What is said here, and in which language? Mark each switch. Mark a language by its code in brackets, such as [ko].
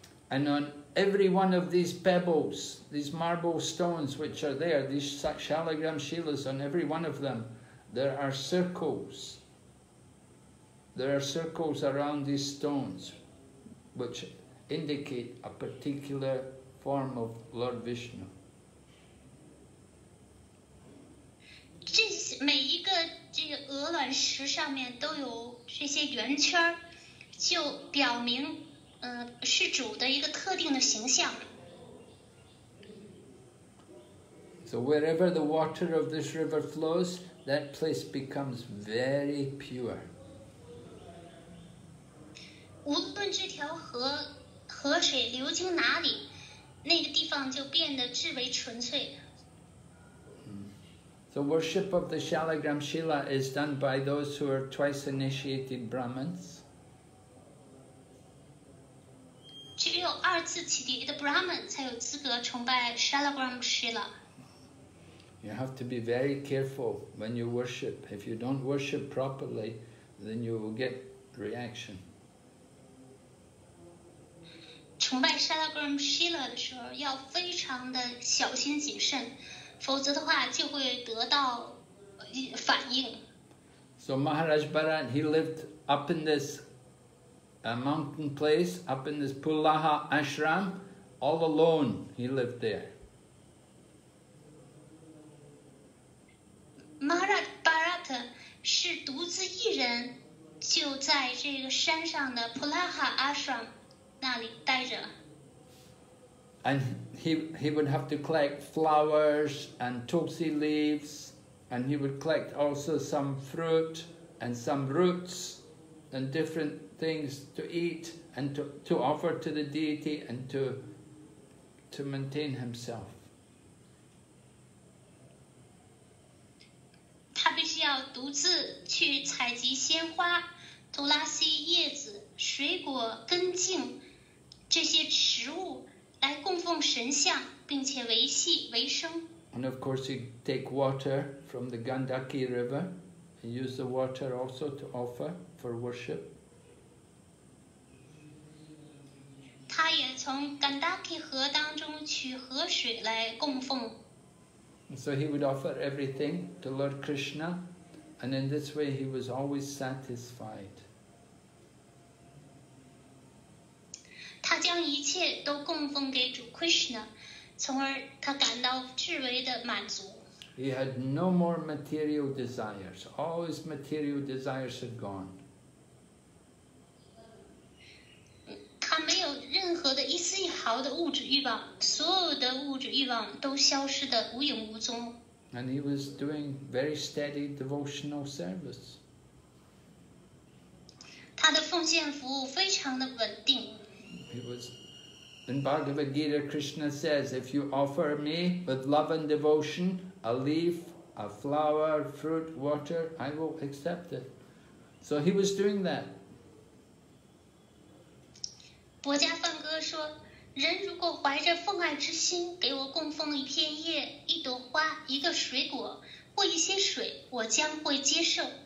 [en] And on every one of these pebbles, these marble stones which are there, these Shalagram Shilas, on every one of them, there are circles. There are circles around these stones, which indicate a particular form of Lord Vishnu. [zh] 这每一个这个鹅卵石上面都有这些圆圈，就表明，是主的一个特定的形象。 [en] So wherever the water of this river flows, that place becomes very pure. [zh] 无论这条河水流经哪里，那个地方就变得至为纯粹。 [en] The worship of the Shalagram Shila is done by those who are twice initiated Brahmins. [zh] 只有二次启迪的 Brahmin 才有资格崇拜 Shalagram Shila. [en] You have to be very careful when you worship. If you don't worship properly, then you will get reaction. [zh] 崇拜 Shalagram Shila 的时候要非常的小心谨慎。否则的话就会得到反应。 [en] So Maharaj Bharat, he lived up in this mountain place, up in this Pulaha Ashram, all alone he lived there. [zh] Maharaj Bharat 是独自一人就在这个山上的 Pulaha Ashram 那里待着。 [en] And he would have to collect flowers and tulsi leaves, and he would collect also some fruit and some roots and different things to eat and to offer to the deity and to maintain himself. [zh] 他必须要独自去采集鲜花、杜拉西叶子、水果、根茎、这些食物来供奉神像，并且维系维生。 [en] And of course, you take water from the Gandaki River and use the water also to offer for worship. [zh] 他也从 Gandaki 河当中取河水来供奉。 [en] So he would offer everything to Lord Krishna, and in this way he was always satisfied. [zh] 他将一切都供奉给主 Krishna, 从而他感到至为的满足。 [en] He had no more material desires. All his material desires had gone. [zh] 他没有任何的一丝一毫的物质欲望，所有的物质欲望都消失得无影无踪。 [en] And he was doing very steady devotional service. [zh] 他的奉献服务非常的稳定。 [en] In Bhagavad Gita, Krishna says, if you offer me with love and devotion a leaf, a flower, fruit, water, I will accept it. So he was doing that. [zh] 薄伽梵歌说，人如果怀着奉爱之心给我供奉一片叶、一朵花、一个水果或一些水，我将会接受。